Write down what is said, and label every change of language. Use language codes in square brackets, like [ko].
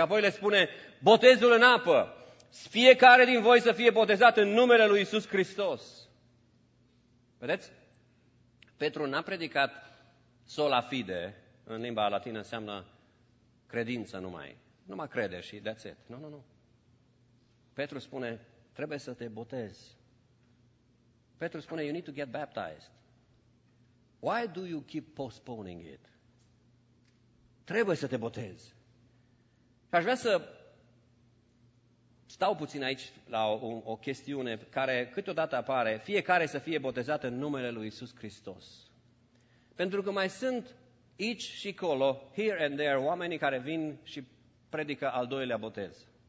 [ro] Apoi le spune botezul în apă. Fiecare din voi să fie botezat în numele lui Iisus Hristos. Vedeți? Petru n-a predicat sola fide, în limba latină înseamnă credință numai. Numai crede și [en] that's it. [ro] Nu, nu, nu. Petru spune, trebuie să te botezi. Petru spune, [en] you need to get baptized. Why do you keep postponing it? [ro] Trebuie să te botezi. Și aș vrea să stau puțin aici la o chestiune care câteodată apare, fiecare să fie botezat în numele lui Iisus Hristos. Pentru că mai sunt aici și acolo, [en] here and there, [ro] oamenii care vin și predică al doilea botez.